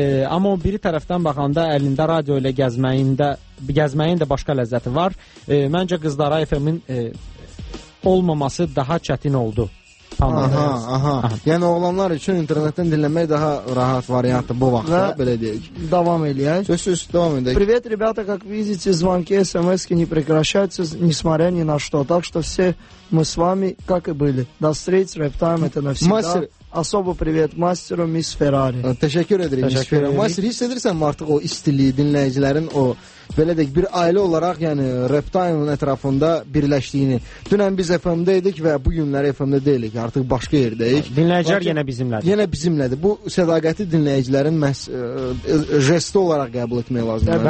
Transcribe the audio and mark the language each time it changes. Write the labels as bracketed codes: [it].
[az] Amma o biri tərəfdən baxanda əlində radio ilə gəzməyin də başqa ləzzəti var. Məncə qızlara FM-in olmaması daha çətin oldu. Tamam, aha, aha. Yəni oğlanlar üçün internetdən dinləmək daha rahat variantı bu vaxtda, belə deyək. Davam eləyək. Sözsüz, davam edək. [ru] Привет, ребята, как видите, звонки, смски не прекращаются, несмотря ни на что. Так что все мы с вами, как и были. До встречи, рэп тайм, это навсегда. Мастер... Особо привет мастеру Мисс Феррари. [az] Təşəkkür edirəm. Mastir, hiss edirsənmi artıq o istiliyi, dinləyicilərin o belə deyək bir ailə olaraq, yəni Rap Time-ın ətrafında birləşdiyini. Dünən biz FM-də idik və bu günləri FM-də deyilik, artıq başqa yerdəyik. Dinləyicilər yenə bizimlədir. Yenə bizimlədir. Bu sədaqəti dinləyicilərin məhz jesti olaraq qəbul etmək lazımdır.